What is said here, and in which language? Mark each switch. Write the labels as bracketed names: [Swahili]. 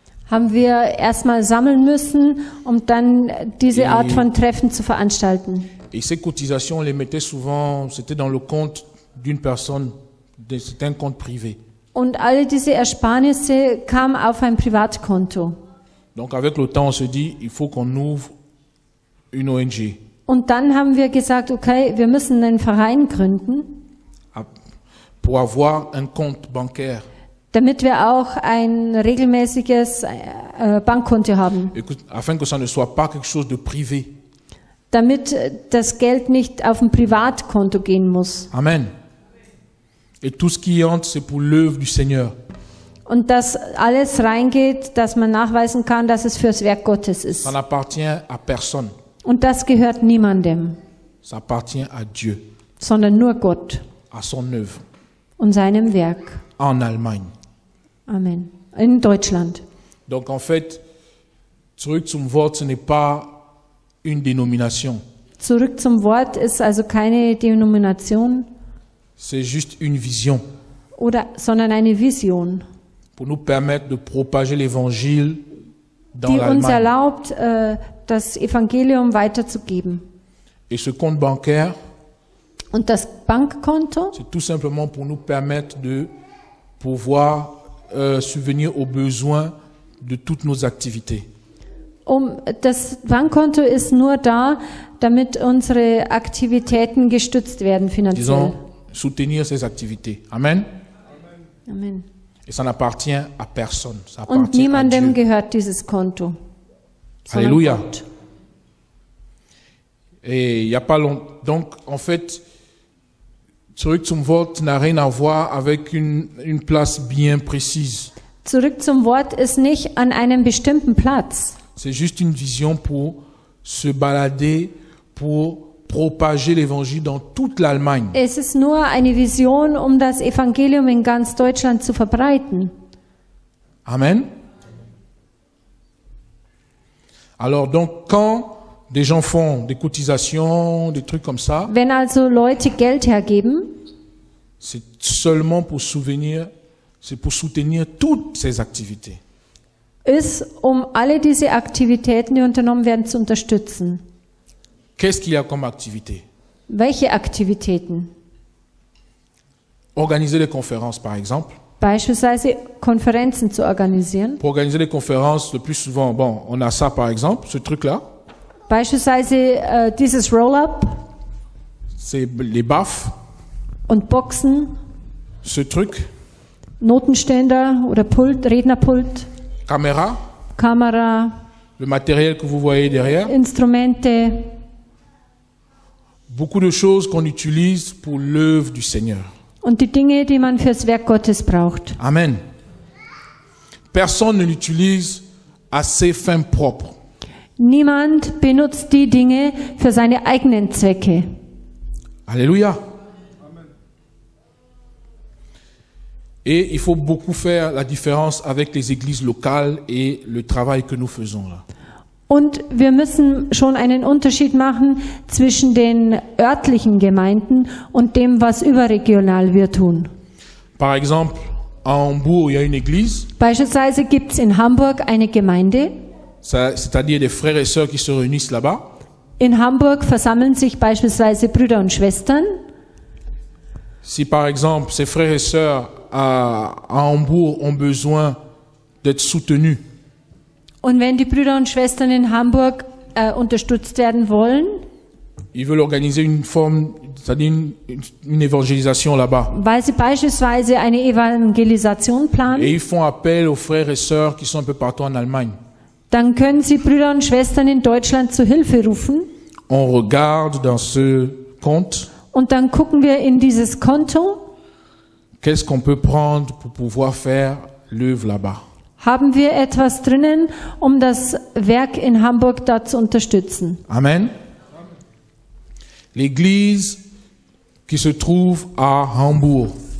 [German] haben wir erstmal sammeln müssen, um dann diese Art von Treffen zu veranstalten. [French] Et ces cotisations, on les mettait souvent, c'était dans le compte d'une personne, c'était un compte privé. [German] Und alle diese Ersparnisse kamen auf ein Privatkonto. [French] Donc avec le temps, on se dit, il faut qu'on ouvre une ONG. [German] Und dann haben wir gesagt, okay, wir müssen einen Verein gründen. [French] Pour avoir un compte bancaire. [German] Damit wir auch ein regelmäßiges Bankkonto haben. [French] Afin que ça ne soit pas quelque chose de privé. [German] Damit das Geld nicht auf ein Privatkonto gehen muss. Amen. [French] Et tout ce qui entre, c'est pour l'œuvre du Seigneur. [German] Und dass alles reingeht, dass man nachweisen kann, dass es fürs Werk Gottes ist. [French] Ça n'appartient à personne. [German] Und das gehört niemandem. [French] Ça appartient à Dieu. [German] Sondern nur Gott. [French] À son œuvre. [German] Und seinem Werk. [French] En Allemagne. [German] Amen. In Deutschland. [French] Donc en fait, zurück zum Wort, ce n'est pas une dénomination. [German] Zurück zum Wort ist also keine Denomination. [French] C'est juste une vision. [German] Oder, sondern eine Vision. [French] Pour nous permettre de propager l'évangile dans l'Allemagne. [German] Die uns erlaubt, das Evangelium weiterzugeben. [French] Et ce compte bancaire. [German] Und das Bankkonto? [French] C'est tout simplement pour nous permettre de pouvoir subvenir aux besoins de toutes nos activités. [German] Das Bankkonto ist nur da, damit unsere Aktivitäten gestützt werden finanziell. [French] Disons, soutenir ces activités. Amen. Amen. Et ça n'appartient à personne. Ça appartient [German] Und niemandem gehört dieses Konto. Alléluia. Gott. [French] Et il y a pas long. Donc en fait. Zurück zum Wort n'a rien à voir avec une place bien précise. [German] Zurück zum Wort ist nicht an einem bestimmten Platz. [French] C'est juste une vision pour se balader, pour propager l'évangile dans toute l'Allemagne. [German] Es ist nur eine Vision, das Evangelium in ganz Deutschland zu verbreiten. Amen. [French] Alors donc quand des gens font des cotisations, des trucs comme ça. [German] Wenn also Leute Geld hergeben, [French] c'est seulement pour souvenir, c'est pour soutenir toutes ces activités. [German] Ist, alle diese Aktivitäten, die unternommen werden, zu unterstützen. [French] Qu'est-ce qu'il y a comme activité? [German] Welche Aktivitäten? [French] Organiser des conférences, par exemple. [German] Beispielsweise Konferenzen zu organisieren. [French] Pour organiser des conférences, le plus souvent, bon, on a ça, par exemple, ce truc-là. [German] Beispielsweise dieses Roll-up. [French] C'est les BAF. [German] Und Boxen. [French] Ce truc. [German] Notenständer oder Pult, Rednerpult. Kamera. Kamera. [French] Le matériel que vous voyez derrière. [German] Instrumente. [French] Beaucoup de choses qu'on utilise pour l'œuvre du Seigneur. [German] Und die Dinge, die man fürs Werk Gottes braucht. Amen. [French] Personne ne l'utilise à ses fins propres. [German] Niemand benutzt die Dinge für seine eigenen Zwecke. Alléluia. [French] Et il faut beaucoup faire la différence avec les églises locales et le travail que nous faisons là. [German] Und wir müssen schon einen Unterschied machen zwischen den örtlichen Gemeinden und dem, was überregional wir tun. [French] Par exemple, à Hambourg, il y a une église. [German] Beispielsweise gibt es in Hamburg eine Gemeinde. [French] C'est-à-dire des frères et sœurs qui se réunissent là-bas. [German] In Hamburg versammeln sich beispielsweise Brüder und Schwestern. [French] Si par exemple ces frères et sœurs à Hambourg ont besoin d'être soutenus. [German] Und wenn die Brüder und Schwestern in Hamburg unterstützt werden wollen. [French] Ils veulent organiser une forme, c'est-à-dire une évangélisation là-bas. [German] Weil sie beispielsweise eine Evangelisation planen. [French] Et ils font appel aux frères et sœurs qui sont un peu partout en Allemagne. [German] Dann können Sie Brüder und Schwestern in Deutschland zu Hilfe rufen. [French] On regarde dans ce compte. [German] Und dann gucken wir in dieses Konto. [French] Qu'est-ce qu'on peut prendre pour pouvoir faire l'œuvre là-bas? [German] Haben wir etwas drinnen, das Werk in Hamburg da zu unterstützen? Amen. [French] L'église qui se trouve à Hambourg.